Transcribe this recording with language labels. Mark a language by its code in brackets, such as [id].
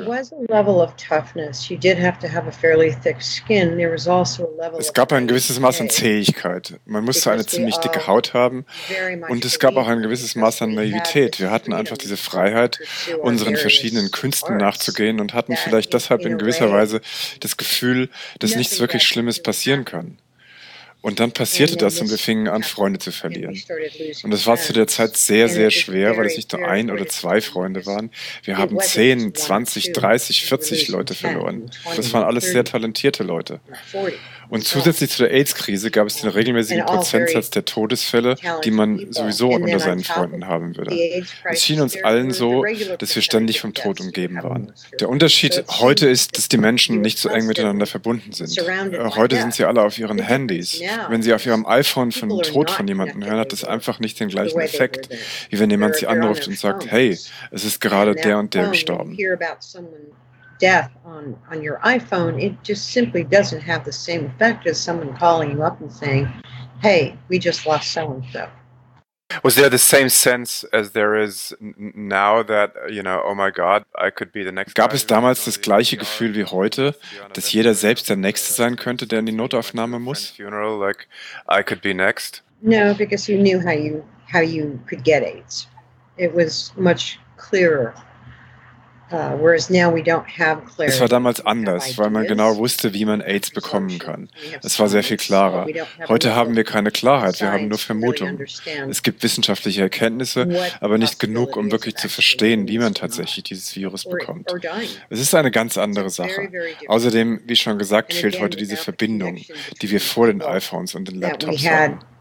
[en] There was a level of toughness. You did have to have a fairly thick skin. There was also a level. [de] Es gab ein gewisses Maß an Zähigkeit. Man musste eine ziemlich dicke Haut haben. Und es gab auch ein gewisses Maß an Naivität. Wir hatten einfach diese Freiheit, unseren verschiedenen Künsten nachzugehen und hatten vielleicht deshalb in gewisser Weise das Gefühl, dass nichts wirklich Schlimmes passieren kann. Und dann passierte das und wir fingen an, Freunde zu verlieren. Und das war zu der Zeit sehr, sehr schwer, weil es nicht nur ein oder zwei Freunde waren. Wir haben 10, 20, 30, 40 Leute verloren. Das waren alles sehr talentierte Leute. Und zusätzlich zu der AIDS-Krise gab es den regelmäßigen Prozentsatz der Todesfälle, die man sowieso unter seinen Freunden haben würde. Es schien uns allen so, dass wir ständig vom Tod umgeben waren. Der Unterschied heute ist, dass die Menschen nicht so eng miteinander verbunden sind. Heute sind sie alle auf ihren Handys. Wenn sie auf ihrem iPhone von dem Tod von jemandem hören, hat das einfach nicht den gleichen Effekt, wie wenn jemand sie anruft und sagt, hey, es ist gerade der und der gestorben. [en] Death on your iPhone, it just simply doesn't have the same effect as someone calling you up and saying, hey, we just lost so-and-so. Was there the same sense as there is now that, you know, oh my God, I could be the next. [de] Gab es damals das gleiche Gefühl wie heute, dass jeder selbst der Nächste sein könnte, der in die Notaufnahme muss? [en] Funeral, like, I could be next? No, because you knew how you could get AIDS. It was much clearer. Whereas now we don't have clarity. [de] Es war damals anders, weil man genau wusste, wie man AIDS bekommen kann. Es war sehr viel klarer. Heute haben wir keine Klarheit, wir haben nur Vermutungen. Es gibt wissenschaftliche Erkenntnisse, aber nicht genug, um wirklich zu verstehen, wie man tatsächlich dieses Virus bekommt. Es ist eine ganz andere Sache. Außerdem, wie schon gesagt, fehlt heute diese Verbindung, die wir vor den iPhones und den Laptops hatten.